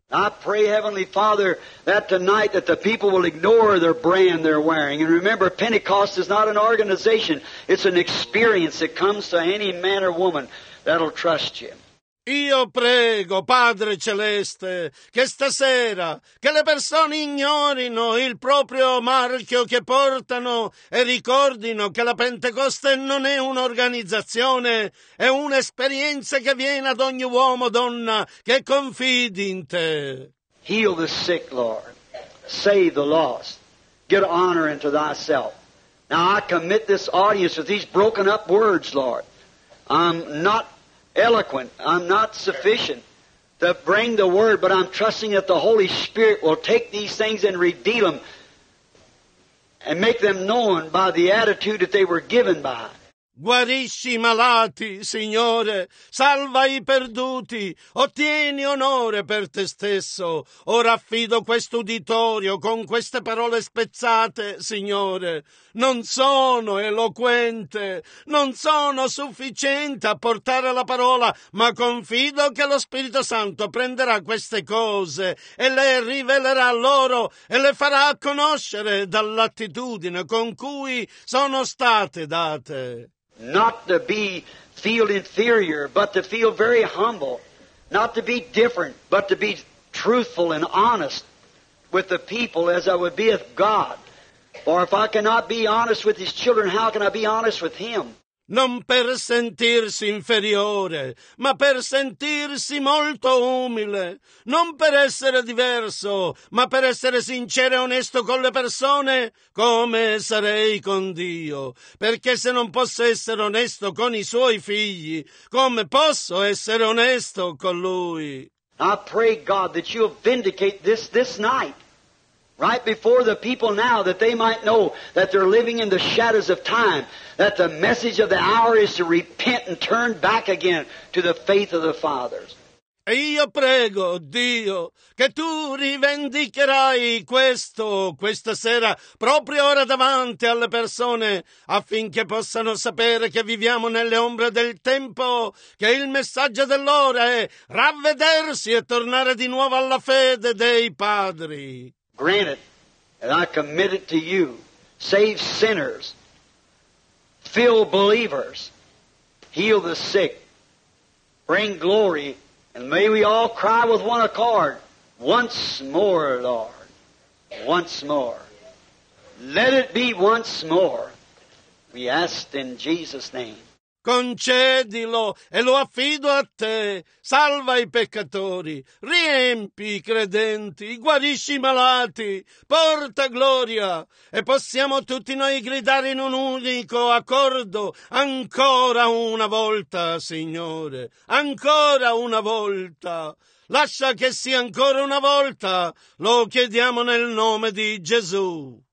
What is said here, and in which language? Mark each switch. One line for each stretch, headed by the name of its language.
English: I pray, Heavenly Father, that tonight that the people will ignore their brand they're wearing. And remember, Pentecost is not an organization, it's an experience that comes to any man or woman that'll trust you.
Italian: Io prego, Padre Celeste, che stasera che le persone ignorino il proprio marchio che portano e ricordino che la Pentecoste non è un'organizzazione, è un'esperienza che viene ad ogni uomo o donna che confidi in te.
English: Heal the sick, Lord. Save the lost. Get honor into thyself. Now I commit this audience with these broken up words, Lord. I'm not eloquent. I'm not sufficient to bring the word, but I'm trusting that the Holy Spirit will take these things and redeem them and make them known by the attitude that they were given by.
Italian: Guarisci i malati, Signore, salva i perduti, ottieni onore per te stesso. Ora affido questo uditorio con queste parole spezzate, Signore. Non sono eloquente, non sono sufficiente a portare la parola, ma confido che lo Spirito Santo prenderà queste cose e le rivelerà loro e le farà conoscere dall'attitudine con cui sono state date.
English: Not to be feel inferior, but to feel very humble. Not to be different, but to be truthful and honest with the people as I would be with God. For if I cannot be honest with His children, how can I be honest with Him?
Italian: Non per sentirsi inferiore, ma per sentirsi molto umile. Non per essere diverso, ma per essere sincero e onesto con le persone, come sarei con Dio. Perché se non posso essere onesto con i Suoi figli, come posso essere onesto con Lui?
English: I pray, God, that You'll vindicate this night, right before the people now, that they might know that they're living in the shadows of time, that the message of the hour is to repent and turn back again to the faith of the fathers.
Italian: E io prego, Dio, che Tu rivendicherai questa sera, proprio ora davanti alle persone, affinché possano sapere che viviamo nelle ombre del tempo, che il messaggio dell'ora è ravvedersi e tornare di nuovo alla fede dei padri.
English: Grant it, and I commit it to You. Save sinners, fill believers, heal the sick, bring glory, and may we all cry with one accord, once more, Lord, once more. Let it be once more, we ask in Jesus' name.
Italian: Concedilo e lo affido a Te, salva i peccatori, riempi i credenti, guarisci i malati, porta gloria e possiamo tutti noi gridare in un unico accordo, ancora una volta, Signore, ancora una volta, lascia che sia ancora una volta, lo chiediamo nel nome di Gesù.